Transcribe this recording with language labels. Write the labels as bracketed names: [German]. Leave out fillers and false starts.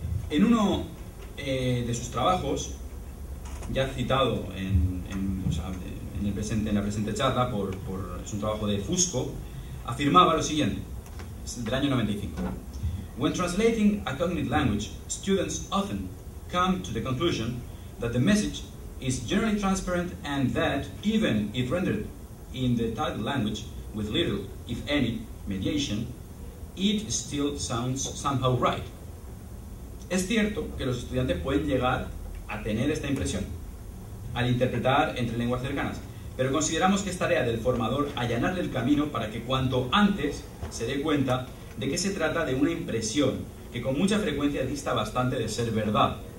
[Spanish] En uno de sus trabajos, ya citado en la presente charla, es un trabajo de Fusco, afirmaba lo siguiente, del año 95. [English] When translating a cognate language, students often come to the conclusion that the message is generally transparent and that, even if rendered in the target language with little, if any, mediation, it still sounds somehow right. [Spanish] Es cierto que los estudiantes pueden llegar a tener esta impresión al interpretar entre lenguas cercanas, pero consideramos que es tarea del formador allanarle el camino para que cuanto antes se dé cuenta de que se trata de una impresión que con mucha frecuencia dista bastante de ser verdad.